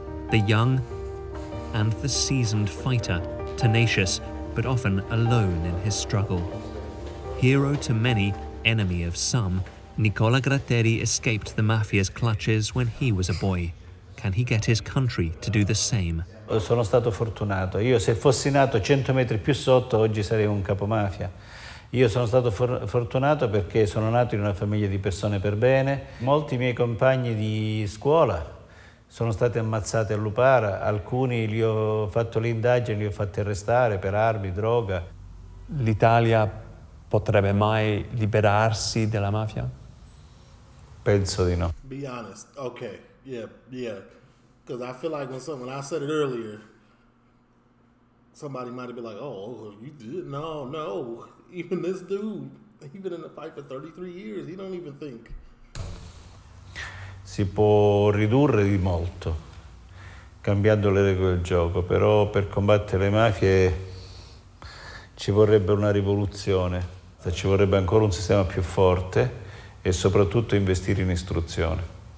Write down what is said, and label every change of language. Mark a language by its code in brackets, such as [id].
[en] The young and the seasoned fighter, tenacious but often alone in his struggle. Hero to many, enemy of some, Nicola Gratteri escaped the mafia's clutches when he was a boy. Can he get his country to do the same? [it] Sono stato fortunato. Io se fossi nato 100 metri più sotto oggi sarei un capo mafia. Io sono stato fortunato perché sono nato in una famiglia di persone per bene. Molti miei compagni di scuola sono stati ammazzati a Lupara. Alcuni li ho fatto le indagini, li ho fatti arrestare per armi, droga. L'Italia potrebbe mai liberarsi della mafia? Penso di no. [en] Be honest. Okay. Yeah, yeah. Because I feel like when I said it earlier, somebody might be like, oh, you did? No, no. Even this dude, he's been in the fight for 33 years, he don't even think. [it] Si può ridurre di molto, cambiando le regole del gioco, però per combattere le mafie ci vorrebbe una rivoluzione, ci vorrebbe ancora un sistema più forte e soprattutto investire in istruzione.